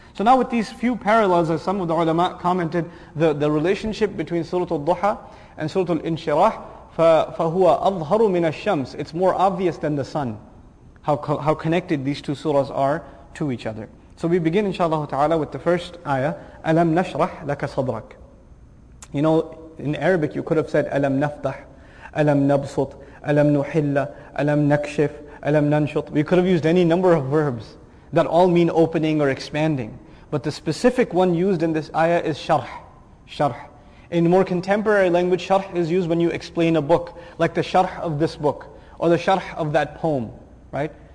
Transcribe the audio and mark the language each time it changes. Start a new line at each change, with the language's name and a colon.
English: So now with these few parallels, as some of the ulama commented, the relationship between Surah Al-Duha and Surah Al-Inshirah,
Arabic: فَهُوَ أَظْهَرُ مِنَ الشَّمْسِ,
English: it's more obvious than the sun, how connected these two surahs are to each other. So we begin inshaAllah ta'ala with the first ayah,
Arabic: أَلَمْ نَشْرَحْ لَكَ صَدْرَكَ.
English: In Arabic you could have said,
Arabic: أَلَمْ نَفْتَحْ, أَلَمْ نَبْسُطْ, أَلَمْ نُحِلَّ, أَلَمْ نَكْشِفْ, أَلَمْ نَنْشُطْ.
English: We could have used any number of verbs that all mean opening or expanding. But the specific one used in this ayah is sharh. Sharh. In more contemporary language, sharh is used when you explain a book, like the sharh of this book, or the sharh of that poem, right?